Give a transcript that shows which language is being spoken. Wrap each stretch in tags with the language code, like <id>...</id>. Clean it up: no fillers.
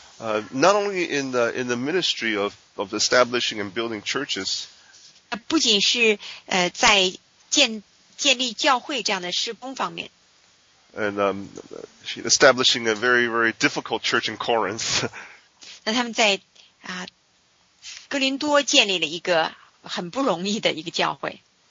<en>Not only in the ministry of establishing and building churches.</en> <zh>不仅是在建立教会这样的施工方面。</zh> <en>And establishing a very very difficult church in Corinth.</en> <zh>那他们在哥林多建立了一个很不容易的一个教会。</zh>